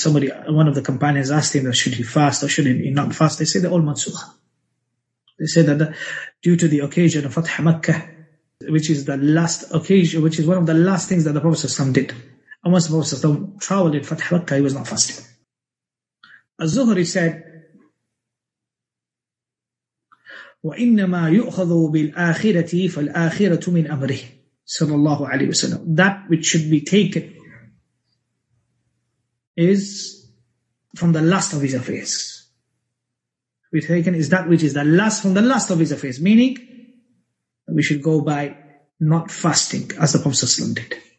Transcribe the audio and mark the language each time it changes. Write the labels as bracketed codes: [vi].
[en] Somebody, one of the companions asked him, should he fast or should he not fast? They say they're all mansukh. They say that due to the occasion of Fath Makkah, which is the last occasion, which is one of the last things that the Prophet ﷺ did. And once the Prophet ﷺ traveled in Fath Makkah, he was not fasting. Az-Zuhri said, [ar] وَإِنَّمَا يُؤْخَذُوا بِالْآخِرَةِ فَالْآخِرَةُ مِنْ أَمْرِهِ صلى الله عليه وسلم. [en] That which should be taken is from the last of his affairs. Be taken is that which is the last from the last of his affairs, meaning we should go by not fasting as the Prophet ﷺ did.